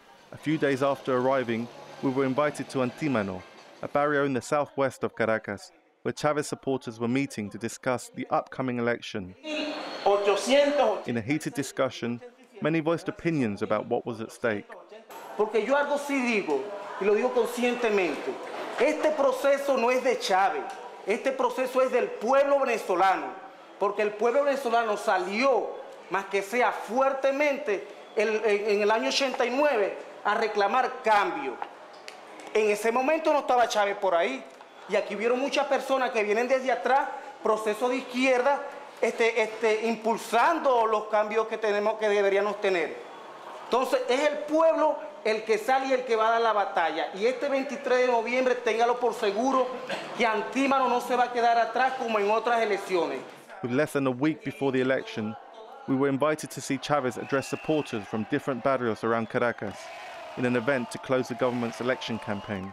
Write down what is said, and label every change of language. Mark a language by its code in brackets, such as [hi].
[en] A few days after arriving, we were invited to Antimano, a barrio in the southwest of Caracas, where Chavez supporters were meeting to discuss the upcoming election. In a heated discussion, many voiced opinions about what was at stake. [es] Porque yo algo sí digo, y lo digo conscientemente. Este proceso no es de Chávez. Este proceso es del pueblo venezolano, porque el pueblo venezolano salió, más que sea fuertemente, en el año 89 a reclamar cambio. En ese momento no estaba Chávez por ahí. Y aquí vieron muchas personas que vienen desde atrás, proceso de izquierda, impulsando los cambios que tenemos, que deberíamos tener. Entonces, es el pueblo el que sale y el que va a dar la batalla. Y este 23 de noviembre, téngalo por seguro, que Antímano no se va a quedar atrás como en otras elecciones. [en] With less than a week before the election, we were invited to see Chávez address supporters from different barrios around Caracas in an event to close the government's election campaign.